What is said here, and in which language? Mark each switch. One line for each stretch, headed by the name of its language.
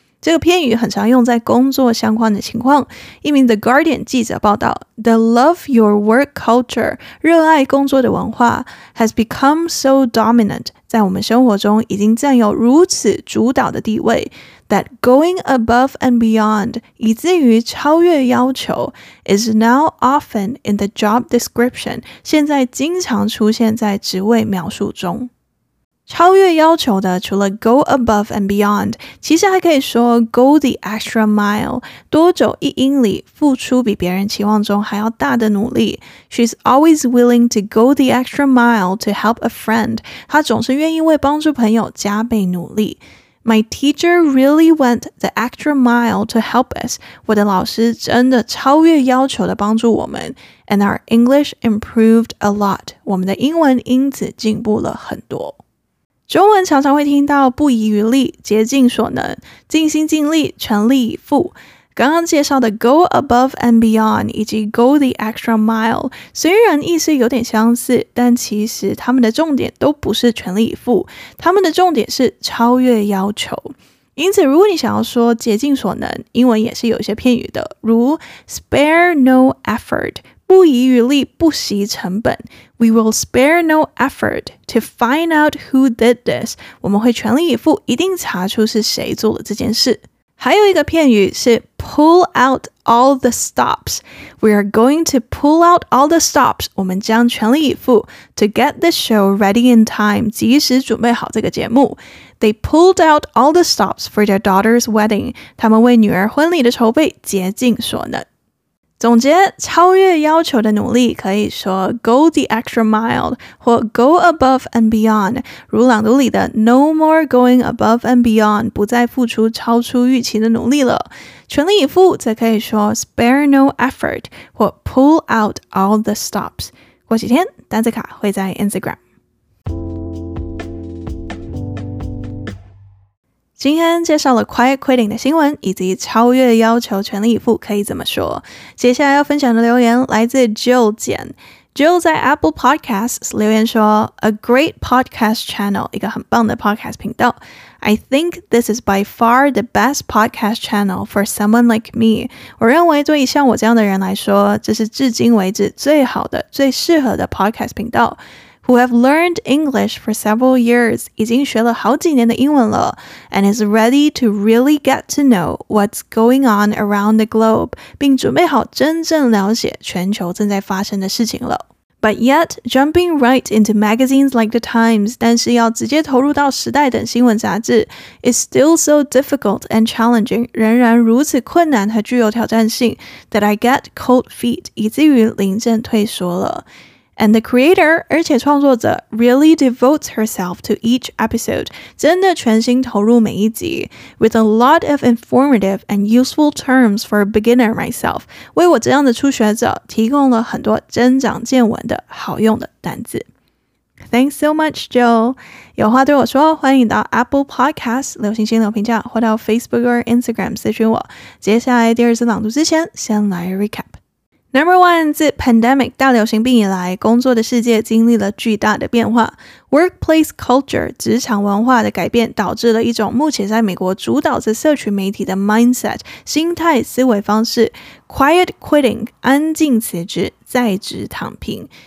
Chinese: 这个片语很常用在工作相关的情况。一名 The Guardian 记者报道，
English: The love your work culture，
Chinese: 热爱工作的文化，
English: has become so dominant，
Chinese: 在我们生活中已经占有如此主导的地位，
English: that going above and beyond，
Chinese: 以至于超越要求，
English: is now often in the job description，
Chinese: 现在经常出现在职位描述中。超越要求的除了
English: go above and beyond,
Chinese: 其实还可以说
English: go the extra mile,
Chinese: 多走一英里付出比别人期望中还要大的努力。
English: She's always willing to go the extra mile to help a friend.
Chinese: 她总是愿意为帮助朋友加倍努力。
English: My teacher really went the extra mile to help us.
Chinese: 我的老师真的超越要求地帮助我们。
English: And our English improved a lot.
Chinese: 我们的英文因此进步了很多。中文常常会听到不遗余力、竭尽所能、尽心尽力、全力以赴。刚刚介绍的 go above and beyond 以及 go the extra mile 虽然意思有点相似，但其实他们的重点都不是全力以赴，他们的重点是超越要求。因此如果你想要说竭尽所能，英文也是有一些片语的，如
English: spare no effort
Chinese: 不遗余力、不惜成本。
English: We will spare no effort to find out who did this.
Chinese: 我们会全力以赴一定查出是谁做了这件事。还有一个片语是
English: pull out all the stops. We are going to pull out all the stops.
Chinese: 我们将全力以赴
English: to get the show ready in time.
Chinese: 及时准备好这个节目。
English: They pulled out all the stops for their daughter's wedding.
Chinese: 他们为女儿婚礼的筹备竭尽所能。总结，超越要求的努力可以说
English: go the extra mile
Chinese: 或
English: go above and beyond，
Chinese: 如朗读里的
English: no more going above and beyond，
Chinese: 不再付出超出预期的努力了。全力以赴则可以说
English: spare no effort
Chinese: 或
English: pull out all the stops。
Chinese: 过几天丹泽卡会在 Instagram。今天介绍了 quiet quitting 的新闻以及超越要求全力以赴可以怎么说。接下来要分享的留言来自 Jill 简。 Jill 在 Apple Podcasts 留言说
English: A great podcast channel,
Chinese: 一个很棒的 podcast 频道。
English: I think this is by far the best podcast channel for someone like me.
Chinese: 我认为对于像我这样的人来说，这是至今为止最好的、最适合的 podcast 频道。
English: Who have learned English for several years,
Chinese: 已经学了好几年的英文了
English: and is ready to really get to know what's going on around the globe,
Chinese: 并准备好真正了解全球正在发生的事情了。
English: But yet, jumping right into magazines like The Times,
Chinese: 但是要直接投入到时代等新闻杂志
English: is still so difficult and challenging,
Chinese: 仍然如此困难和具有挑战性
English: that I get cold feet,
Chinese: 以至于临阵退缩了。
English: And the creator,
Chinese: 而且创作者,
English: really devotes herself to each episode,
Chinese: 真的全心投入每一集,
English: with a lot of informative and useful terms for a beginner myself,
Chinese: 为我这样的初学者提供了很多增长见闻的好用的单字。
English: Thanks so much, Jill.
Chinese: 有话对我说，欢迎到 Apple Podcasts 留星星留评价，或到 Facebook 或 Instagram 私讯我。接下来第二次朗读之前，先来 recap。
English: Number one,
Chinese: 自 pandemic 大流行病以来，工作的世界经历了巨大的变化。 Workplace culture 职场文化的改变导致了一种目前在美国主导着社群媒体的 mindset 心态思维方式 quiet quitting 安静辞职在职躺平。